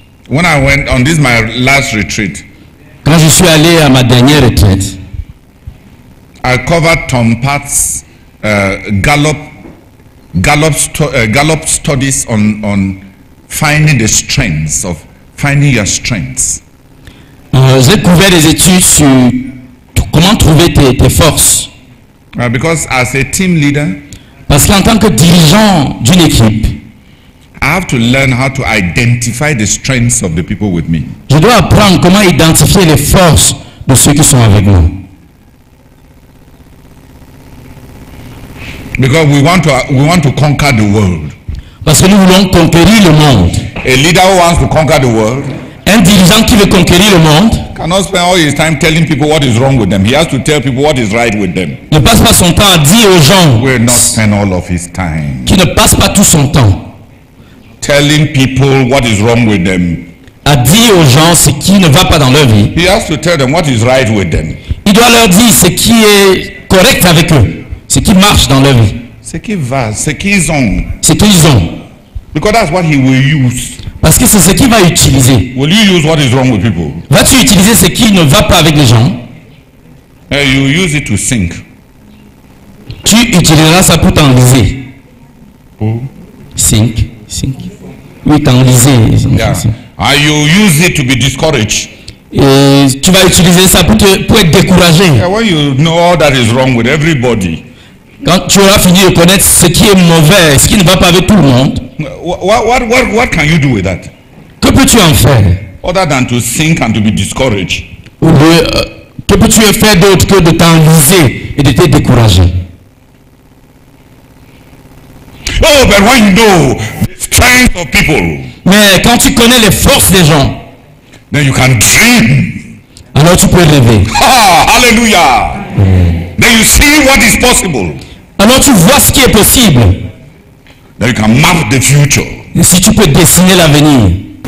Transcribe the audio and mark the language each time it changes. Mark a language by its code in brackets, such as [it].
[en] When I went on this my last retreat, [fr] quand je suis allé à ma dernière retraite, [en] I covered Tom Pat's Gallup studies on finding the strengths of finding your strengths. [fr] J'ai couvert des études sur comment trouver tes forces. [en] Because as a team leader, [fr] parce qu'en tant que dirigeant d'une équipe, [en] I have to learn how to identify the strengths of the people with me. [fr] Je dois apprendre comment identifier les forces de ceux qui sont avec moi. [en] Because we want to conquer the world. [fr] Parce que nous voulons conquérir le monde. [en] A leader who wants to conquer the world. [fr] Un dirigeant qui veut conquérir le monde. [en] Cannot spend all his time telling people what is wrong with them. He has to tell people what is right with them. [fr] Ne passe pas son temps à dire aux gens. [en] Will not spend all of his time. [fr] Qui ne passe pas tout son temps. [en] Telling people what is wrong with them. [fr] À dire aux gens ce qui ne va pas dans leur vie. [en] He has to tell them what is right with them. [fr] Il doit leur dire ce qui est correct avec eux, ce qui marche dans leur vie. Ce qui va, ce qu'ils ont. Ce qu'ils ont. [en] Because that's what he will use. [fr] Parce que c'est ce qu'il va utiliser. [en] Will you use what is wrong with people? [fr] Vas-tu utiliser ce qui ne va pas avec les gens? [en] And you use it to sink. [fr] Tu utiliseras ça pour t'enliser. Pour? Sink. Oui, t'enliser. [en] Yeah. And you use it to be discouraged. [fr] Et tu vas utiliser ça pour être découragé. [en] Yeah, when you know all that is wrong with everybody. [fr] Quand tu auras fini de connaître ce qui est mauvais, ce qui ne va pas avec tout le monde. [en] What can you do with that? [fr] Que peux-tu en faire? [en] Other than to sink and to be discouraged. [fr] Que peux-tu faire d'autre que de t'enliser et de te décourager? [en] Oh, but when you know the strength of people. [fr] Mais quand tu connais les forces des gens. [en] Then you can dream. [fr] Alors tu peux rêver. [en] Hallelujah. Then you see what is possible. [fr] Alors tu vois ce qui est possible. [en] Then you can map the future. [fr] Et si tu peux dessiner l'avenir.